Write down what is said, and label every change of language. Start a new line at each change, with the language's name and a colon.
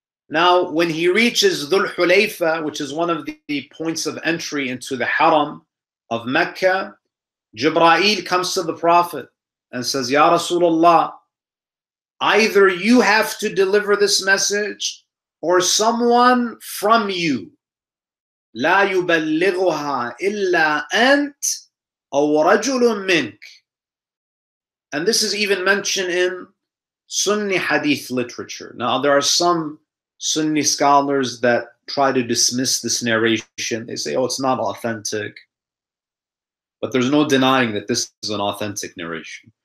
English: Now, when he reaches Dhul Hulayfa, which is one of the points of entry into the Haram of Mecca, Jibra'il comes to the Prophet and says, Ya Rasulullah, either you have to deliver this message or someone from you.
Arabic: لا يبلغها إلا أنت أو رجل منك.
English: And this is even mentioned in Sunni hadith literature. Now, there are some Sunni scholars that try to dismiss this narration. They say, oh, it's not authentic. But there's no denying that this is an authentic narration.